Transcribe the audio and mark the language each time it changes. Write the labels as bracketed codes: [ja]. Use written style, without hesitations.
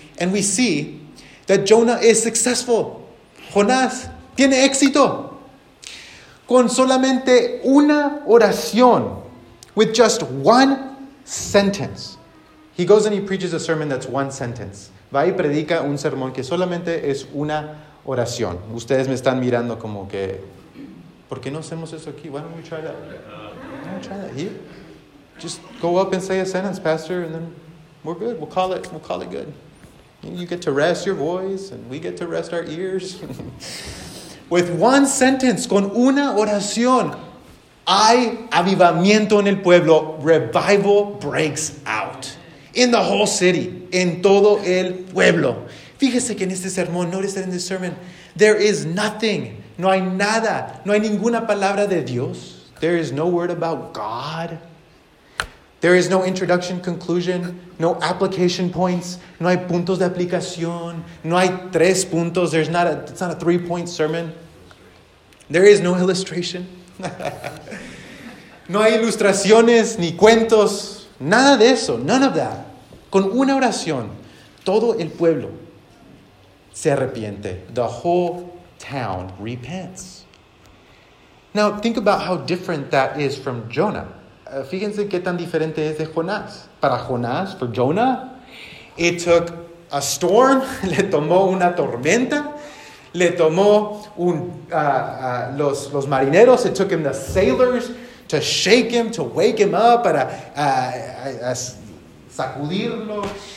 [en] And we see that Jonah is successful. [es] Jonás tiene éxito. Con solamente una oración. [en] With just one sentence. He goes and he preaches a sermon that's one sentence. [es] Va y predica un sermón que solamente es una oración. Ustedes me están mirando como que, ¿por qué no hacemos eso aquí? [en] Why don't we try that? Why don't we try that here? Just go up and say a sentence, pastor, and then we're good. We'll call it good. You get to rest your voice, and we get to rest our ears. With one sentence, [es] con una oración, hay avivamiento en el pueblo. [en] Revival breaks out. In the whole city. [es] En todo el pueblo. Fíjese que en este sermón, [en] notice that in this sermon, there is nothing. [es] No hay nada. No hay ninguna palabra de Dios. [en] There is no word about God. There is no introduction, conclusion, no application points, [es] no hay puntos de aplicación, no hay tres puntos, [en] it's not a three-point sermon. There is no illustration. [es] No hay ilustraciones, ni cuentos, nada de eso, [en] none of that. [es] Con una oración, todo el pueblo se arrepiente. [en] The whole town repents. Now, think about how different that is from Jonah. [es] Fíjense qué tan diferente es de Jonás. Para Jonás, [en] for Jonah, it took a storm, [es] le tomó una tormenta, le tomó los marineros, [en] it took him the sailors to shake him, to wake him up, [es] para sacudirlo.